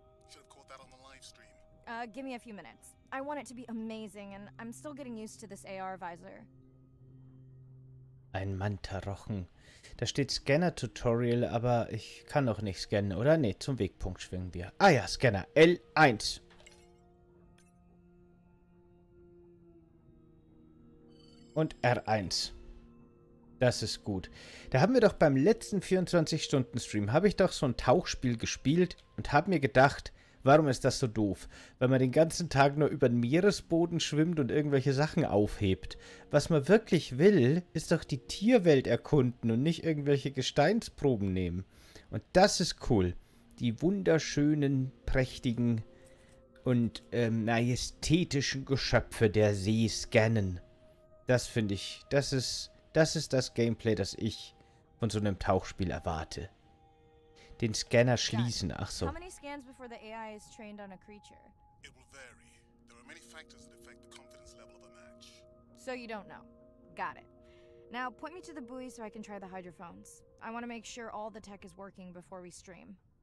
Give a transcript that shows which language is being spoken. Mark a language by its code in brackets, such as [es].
[en] Should have caught that on the live stream. Give me a few minutes. I want it to be amazing, and I'm still getting used to this AR visor. [de] Ein Manta-Rochen. Da steht Scanner-Tutorial, aber ich kann noch nicht scannen, oder? Nee, zum Wegpunkt schwingen wir. Ah ja, Scanner. L1. Und R1. Das ist gut. Da haben wir doch beim letzten 24-Stunden-Stream, habe ich doch so ein Tauchspiel gespielt und habe mir gedacht, warum ist das so doof? Weil man den ganzen Tag nur über den Meeresboden schwimmt und irgendwelche Sachen aufhebt. Was man wirklich will, ist doch die Tierwelt erkunden und nicht irgendwelche Gesteinsproben nehmen. Und das ist cool. Die wunderschönen, prächtigen und majestätischen Geschöpfe der See scannen. Das finde ich, das ist das Gameplay, das ich von so einem Tauchspiel erwarte. Den Scanner schließen, ach so. [en] How many scans before the AI is trained on a creature? It will vary. There are many factors that affect the confidence level of a match. So you don't know. Got it. Now point me to the buoy so I can try the hydrophones. I want to make sure all the tech is working before we stream.